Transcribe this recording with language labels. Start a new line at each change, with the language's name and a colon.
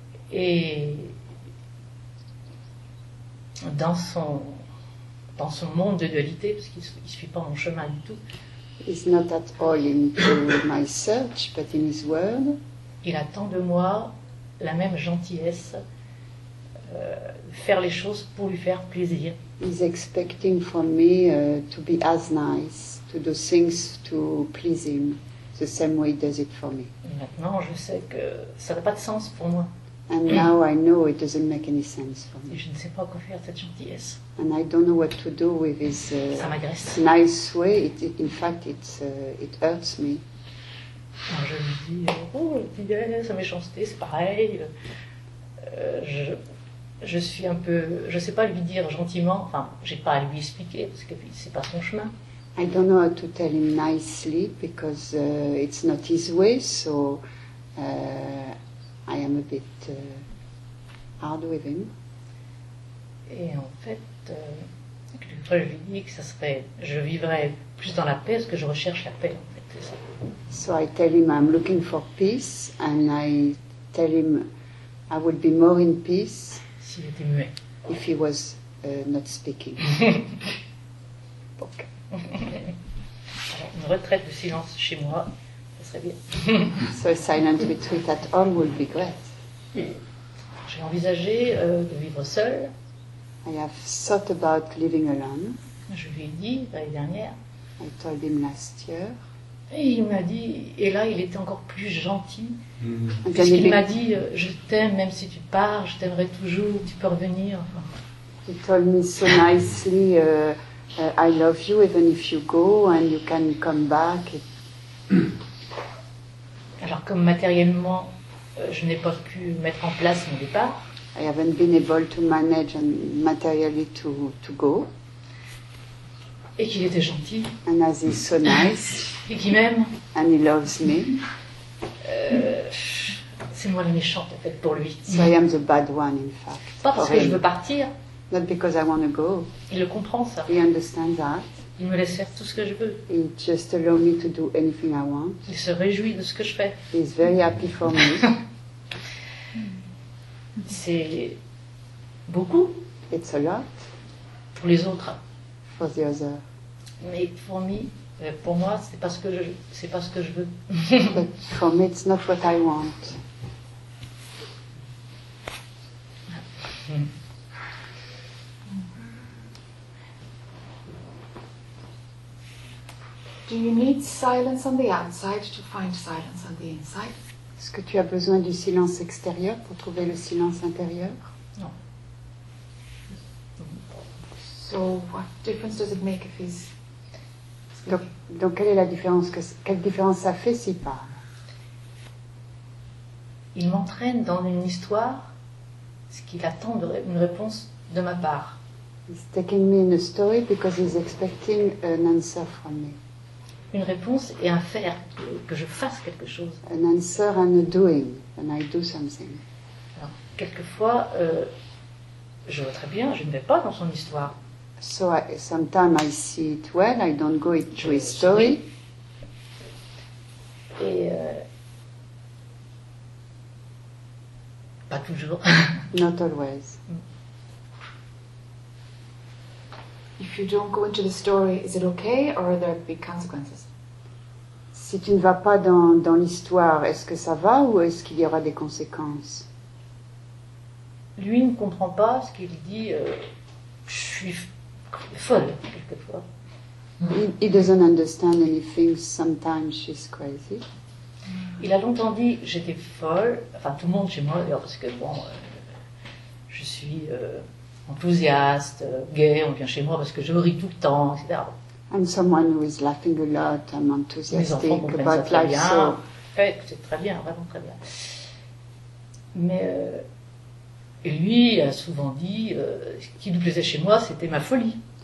French: Et dans son monde de dualité, parce qu'il ne suit pas mon chemin du tout.
English: He's not at all into my search, but in his world.
French: Il attend de moi la même gentillesse, faire les choses pour lui faire plaisir.
English: He's expecting from me to be as nice, to do things to please him, the same way he does it for me.
French: Maintenant, je sais que ça n'a pas de sens pour moi.
English: And now I know it doesn't make any sense for me.
French: Et je ne sais pas quoi faire cette gentillesse.
English: And I don't know what to do with his nice way. In fact, it hurts me.
French: Alors je lui dis, oh, gentillesse, méchanceté, c'est pareil. Je suis un peu, je ne sais pas lui dire gentiment. Enfin, j'ai pas à lui expliquer parce que c'est pas son chemin.
English: I don't know how to tell him nicely because it's not his way. So. I am a bit hard with him.
French: Et en fait, je lui dis que ça serait, je vivrais plus dans la paix, parce que je recherche la paix. En fait, c'est ça.
English: So I tell him I'm looking for peace, and I tell him I would be more in peace.
French: S'il était muet.
English: If he was not speaking.
French: Alors, une retraite de silence chez moi.
English: So a silent retreat at home would be great.
French: J'ai envisagé de vivre seul.
English: I have thought about living alone.
French: Je lui ai dit l'année dernière.
English: I told him last year.
French: Et il m'a dit, et là il était encore plus gentil. Mm-hmm. Puisqu'il m'a dit, je t'aime même si tu pars, je t'aimerai toujours, tu peux revenir.
English: He told me so nicely, I love you even if you go and you can come back.
French: Alors, comme matériellement, je n'ai pas pu mettre en place mon départ.
English: I haven't been able to manage materially to go.
French: Et qu'il était gentil.
English: And as he's so nice.
French: Et qu'il m'aime.
English: And he loves me.
French: C'est moi la méchante, en fait, pour lui.
English: So I am the bad one, in fact.
French: Pas parce que je veux partir.
English: Not because I want to go.
French: Il le comprend, ça.
English: He understands that.
French: Il me laisse faire tout ce que je veux.
English: He just allows me to do anything I want.
French: Il se réjouit de ce que je fais.
English: He's very happy for me.
French: C'est beaucoup.
English: It's a lot.
French: Pour les autres.
English: For the other.
French: Mais pour moi, c'est pas ce que je veux.
English: But for me, it's not what I want. Do you need silence on the outside to find silence on the inside?
French: Est-ce que tu as besoin du silence extérieur pour trouver le silence intérieur? Non.
English: So what difference does it make if he's
French: donc quelle est la différence quelle différence ça fait s'il parle? Il m'entraîne dans une histoire, ce qu'il attend une réponse de ma part.
English: He's taking me in a story because he's expecting an answer from me.
French: Une réponse et un faire, que je fasse quelque chose.
English: An answer and a doing, and I do something.
French: Alors, quelquefois, je vois très bien, je ne vais pas dans son histoire.
English: So, sometimes I see it well, I don't go into his story.
French: Et pas toujours.
English: Not always. If you don't go into the story, is it okay, or are there big consequences?
French: Si tu ne vas pas dans l'histoire, est-ce que ça va ou est-ce qu'il y aura des conséquences? Lui ne comprend pas ce qu'il dit. Je suis folle quelquefois.
English: He doesn't understand anything. Sometimes she's crazy.
French: Il a longtemps dit j'étais folle. Enfin, tout le monde chez moi d'ailleurs, parce que bon, je suis enthousiaste, gay. On vient chez moi parce que je ris tout le temps, etc.
English: And someone who is laughing a lot, I'm enthusiastic about life,
French: bien.
English: So...
French: Oui, c'est très bien, vraiment très bien. Mais lui a souvent dit, ce qui lui plaisait chez moi, c'était ma folie.